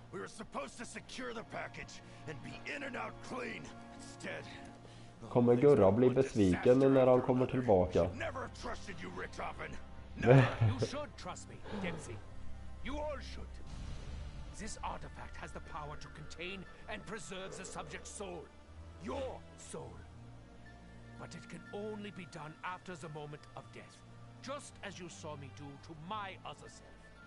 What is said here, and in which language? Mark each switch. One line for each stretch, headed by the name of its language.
English: We were supposed to secure the package and be in and out clean. Instead,
Swedish: kommer Gurra bli besviken när han kommer tillbaka?
English: Never trusted you, Richtofen. You should trust me, Dempsey. You all should. This artifact has the power to contain and preserve the subject's soul. Your soul. But it can only be done after the moment of death. Just as you saw me do to my other self.